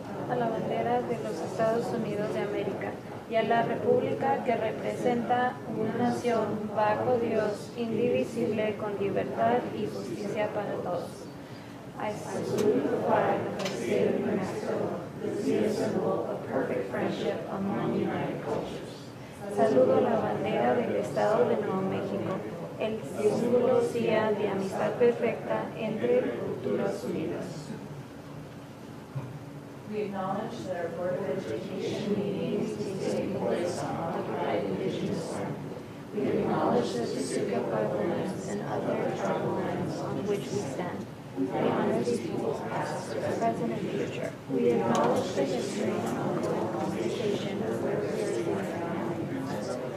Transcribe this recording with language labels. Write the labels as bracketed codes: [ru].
[es] A la bandera de los Estados Unidos de América y a la República que representa una nación bajo Dios, indivisible, con libertad y justicia para todos. [en] I salute the flag of the state of New Mexico, the seed symbol of perfect friendship among united cultures. [es] Saludo la bandera del Estado de Nuevo México, el símbolo sea de amistad perfecta entre culturas unidas. [en] We acknowledge that our Board of Education meetings take place on occupied indigenous land. We acknowledge the Tsuut'ina lands and other tribal lands on which we stand. We honor these people's past, present, and future. We acknowledge the history and ongoing conversation of where we are from.